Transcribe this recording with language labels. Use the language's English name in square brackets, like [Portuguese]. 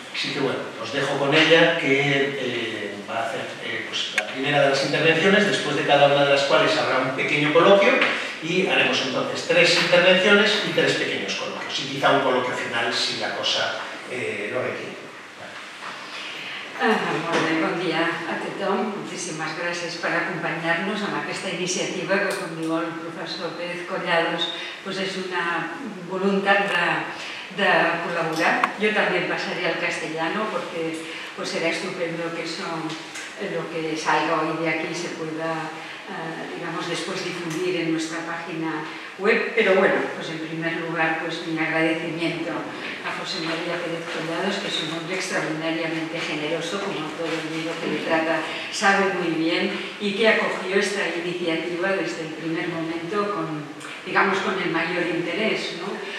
[Spanish] Así que bueno, os dejo con ella, que va a hacer pues, la primera de las intervenciones, después de cada una de las cuales habrá un pequeño coloquio, y haremos entonces tres intervenciones y tres pequeños coloquios, y quizá un coloquio final si la cosa lo requiere. [Catalan] Molt bé, bon dia a tothom. Moltíssimes gràcies per acompanyar-nos en aquesta iniciativa que, com diu el professor Pérez Collados, doncs és una voluntat de col·laborar. Jo també passaré al castellano perquè [Spanish] pues serà estupendo que lo que salga hoy de aquí se pueda digamos, después difundir en nuestra página web. Pero bueno, pues en primer lugar, pues mi agradecimiento a José María Pérez Collados, que es un hombre extraordinariamente generoso, como todo el mundo que le trata sabe muy bien, y que acogió esta iniciativa desde el primer momento con, digamos, con el mayor interés, ¿no?